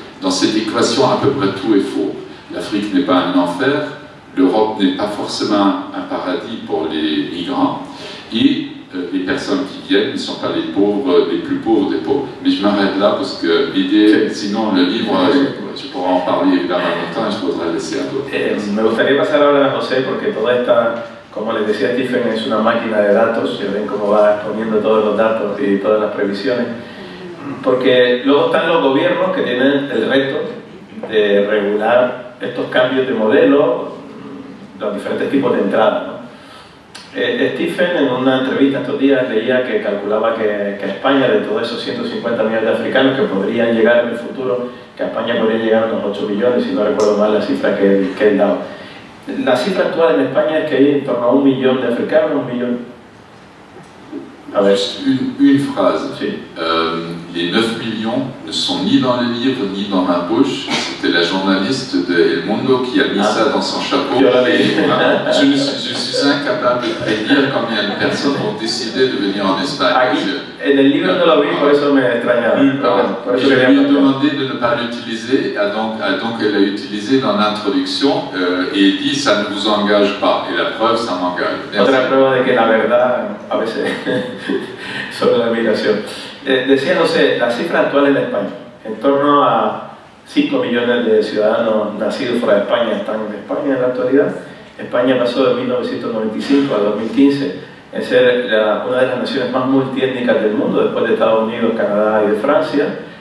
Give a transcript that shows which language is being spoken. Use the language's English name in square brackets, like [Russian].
[French] Dans cette équation, à peu près tout est faux. L'Afrique n'est pas un enfer. L'Europe n'est pas forcément un paradis pour les migrants et les personnes qui viennent ne sont pas les pauvres, les plus pauvres des pauvres. Mais je m'arrête là parce que l'idée, sinon le livre, je pourrais en parler évidemment longtemps et je voudrais laisser à d'autres. [Spanish] Me gustaría pasar ahora a José porque toda esta como les decía Stephen, es una máquina de datos, y ven cómo va exponiendo todos los datos y todas las previsiones. Porque luego están los gobiernos que tienen el reto de regular estos cambios de modelo, los diferentes tipos de entradas, ¿no? Stephen en una entrevista estos días leía que calculaba que España, de todos esos 150 millones de africanos que podrían llegar en el futuro, que a España podrían llegar unos 8 millones, si no recuerdo mal la cifra que él daba. La cifra actual en España es que hay en torno a 1 millón de africanos, 1 millón. A ver. [French] Une phrase. [Spanish] Sí. [French] Les 9 millions ne sont ni dans le livre ni dans ma bouche. C'était la journaliste de El Mundo qui a mis ça dans son chapeau. Je suis incapable de prédire combien de personnes ont décidé de venir en Espagne. [Spanish] Aquí, en el libro no lo vi, por eso me extrañaba. [French] Je lui ai demandé de ne pas l'utiliser, donc elle a utilisé dans l'introduction et dit ça ne vous engage pas. Et la preuve, ça m'engage. [Spanish] Otra prueba de que la verdad, a veces, sobre la migración. Decía, no sé, la cifra actual en España, en torno a 5 millones de ciudadanos nacidos fuera de España están en España en la actualidad. España pasó de 1995 a 2015 en ser una de las naciones más multiétnicas del mundo, después de Estados Unidos, Canadá y de Francia.